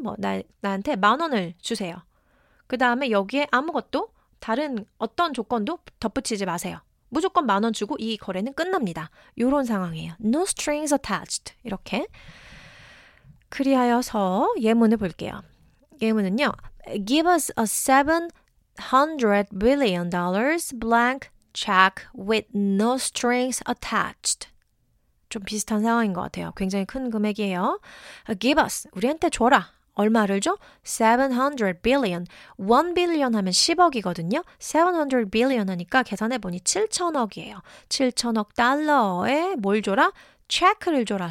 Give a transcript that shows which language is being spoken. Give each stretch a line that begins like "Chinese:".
Korean: 뭐 나한테 만 원을 주세요. 그 다음에 여기에 아무것도 다른 어떤 조건도 덧붙이지 마세요. 무조건 만 원 주고 이 거래는 끝납니다. 이런 상황이에요.
English: No strings attached.
Korean: 이렇게 그리하여서 예문을 볼게요. 예문은요.
English: Give us a $700 billion blank check with no strings attached.
Korean: 좀 비슷한 상황인 것 같아요. 굉장히 큰 금액이에요.
English: Give us.
Korean: 우리한테 줘라. 얼마를 줘? 700 billion. 1 billion 하면 10억이거든요. 700 billion 하니까 계산해보니 7천억이에요. 7천억 달러에 뭘 줘라? 체크를 줘라.